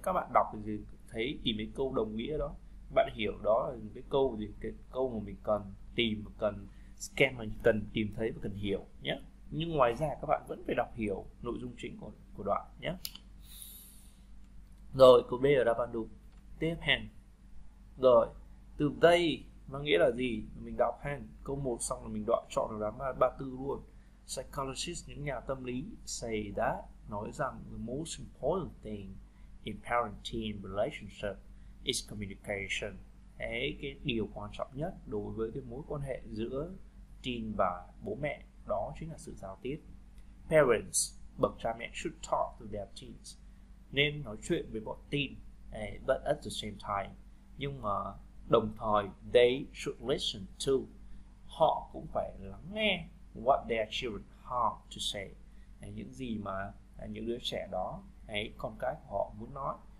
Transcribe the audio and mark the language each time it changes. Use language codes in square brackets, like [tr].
[vi] Các bạn đọc thì thấy tìm cái câu đồng nghĩa đó, bạn hiểu đó là cái câu gì, cái câu mà mình cần tìm, cần scan, mà cần tìm thấy và cần hiểu nhé. Nhưng ngoài ra các bạn vẫn phải đọc hiểu nội dung chính của đoạn nhé. Rồi câu B là đáp án đúng. Tiếp hen. Rồi từ đây nó nghĩa là gì? Mình đọc hen câu 1 xong là mình đoạn chọn được đáp án 34 luôn. [en] Psychologists, [vi] những nhà tâm lý, [en] say that, [vi] nói rằng [en] the most important thing in parent-teen relationship is communication. [vi] Đấy, cái điều quan trọng nhất đối với cái mối quan hệ giữa teen và bố mẹ đó chính là sự giao tiếp. Parents, bậc cha mẹ [en] should talk to their teens, [vi] nên nói chuyện với bọn teen. [en] But at the same time, [vi] nhưng mà đồng thời [en] they should listen to, [vi] họ cũng phải lắng nghe [en] what their children have to say, [vi] những gì mà những đứa trẻ đó, con cái của họ muốn nói.